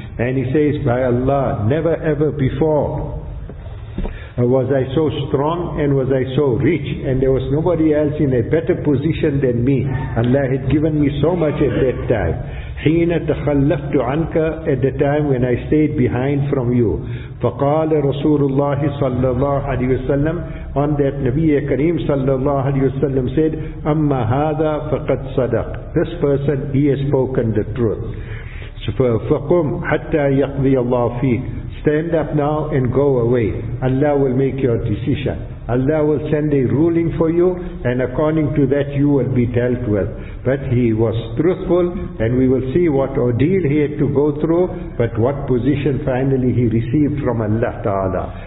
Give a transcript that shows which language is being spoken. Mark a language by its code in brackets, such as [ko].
[en] And he says, by Allah, never ever before was I so strong and was I so rich, and there was nobody else in a better position than me. Allah had given me so much at that time. [ar] حِينَ تَخَلَّفْتُ عَنْكَ, [en] at the time when I stayed behind from you. [ar] فَقَالَ رَسُولُ اللَّهِ صَلَّى اللَّهُ عَلَيْهِ وَسَلَّمُ, [en] on that Nabiya Kareem [ar] صَلَّى اللَّهُ عَلَيْهِ وَسَلَّمُ [en] said, [ar] أَمَّا هَذَا فَقَدْ صَدَقْ, [en] this person, he has spoken the truth. [ar] فَقُمْ حَتَّى يَقْضِيَ اللَّهُ فِيكَ, [en] stand up now and go away. Allah will make your decision. Allah will send a ruling for you, and according to that you will be dealt with. But he was truthful, and we will see what ordeal he had to go through, but what position finally he received from Allah Ta'ala.